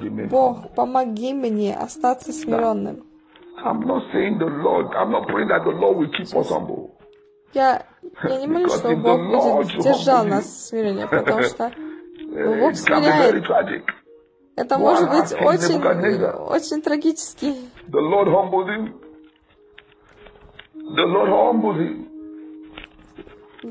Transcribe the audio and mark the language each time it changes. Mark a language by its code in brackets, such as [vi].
[ru] Бог, помоги мне остаться смиренным. [en] I'm not saying the Lord, I'm not praying that the Lord will keep us humble. [ru] Я не молюсь, что Бог будет держать нас в смирении, потому что Бог смиряет. Это может быть очень трагически. [en] The Lord humbled him. The Lord humbled him.